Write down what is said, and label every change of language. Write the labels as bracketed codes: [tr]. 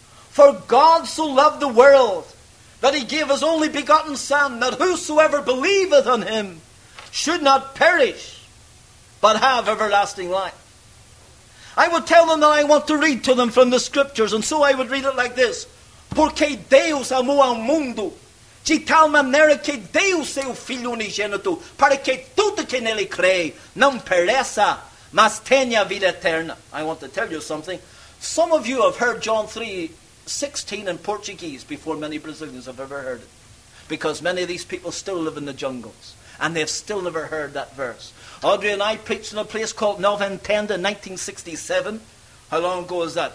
[en] For God so loved the world that he gave his only begotten Son, that whosoever believeth on him should not perish, but have everlasting life. I would tell them that I want to read to them from the scriptures, and so I would read it like this. [pt] Porque Deus amou ao mundo, de tal maneira que deu seu Filho unigênito, para que todo que nele crê não pereça, mas tenha vida eterna. [en] I want to tell you something. Some of you have heard John 3:16 in Portuguese before many Brazilians have ever heard it. Because many of these people still live in the jungles. And they've still never heard that verse. Audrey and I preached in a place called Nova Entenda in 1967. How long ago is that?